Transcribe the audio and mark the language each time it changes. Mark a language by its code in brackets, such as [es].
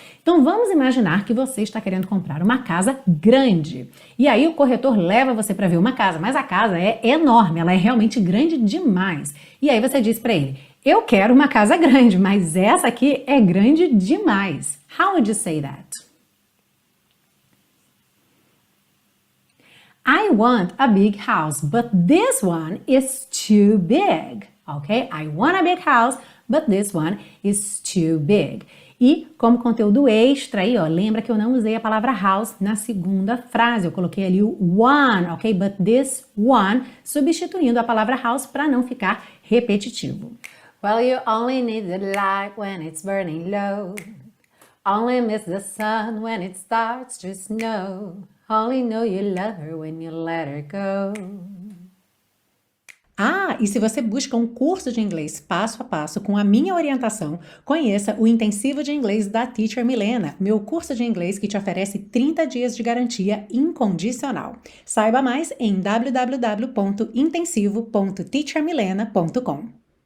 [pt] Então vamos imaginar que você está querendo comprar uma casa grande. E aí o corretor leva você para ver uma casa, mas a casa é enorme, ela é realmente grande demais. E aí você diz para ele, eu quero uma casa grande, mas essa aqui é grande demais. [en] How would you say that? I want a big house, but this one is too big. Okay? I want a big house, but this one is too big. [pt] E como conteúdo extra aí, ó, lembra que eu não usei a palavra house na segunda frase. Eu coloquei ali o one, ok? [en] But this one, [pt] substituindo a palavra house para não ficar repetitivo. [en] Well, you only need the light when it's burning low. Only miss the sun when it starts to snow. Only know you love her when you let her go. [pt] Ah, e se você busca um curso de inglês passo a passo com a minha orientação, conheça o Intensivo de Inglês da Teacher Milena, meu curso de inglês que te oferece 30 dias de garantia incondicional. Saiba mais em www.intensivo.teachermilena.com.